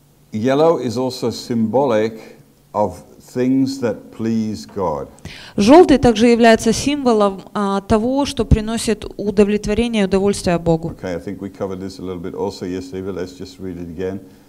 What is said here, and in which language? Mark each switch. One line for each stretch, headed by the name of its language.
English: Yellow is also symbolic of things that please God.
Russian: Желтый также является символом того, что приносит удовлетворение и удовольствие Богу.
English: Okay, I think we covered this a little bit also yesterday, but let's just read it again.